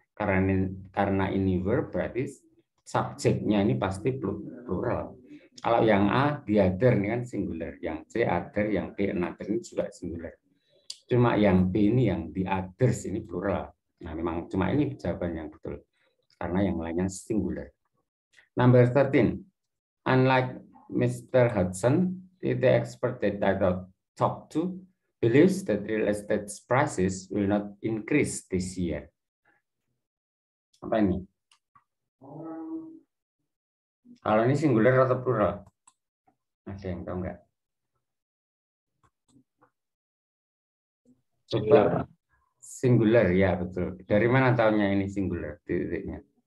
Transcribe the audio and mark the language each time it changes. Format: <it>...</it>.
<id>Karena ini were berarti subjeknya ini pasti plural. Kalau yang A the other ini kan singular, yang C other, yang B another ini juga singular. Cuma yang B ini yang the others ini plural. Nah, memang cuma ini jawaban yang betul karena yang lainnya singular.</id> <en>Number 13. Unlike Mr. Hudson, the expert that I talked to believes that real estate prices will not increase this year.</en> <id>Apa ini? Kalau ini singular atau plural? Ada yang tahu nggak? Singular. Singular, ya betul. Dari mana tahunya ini singular titiknya?</id>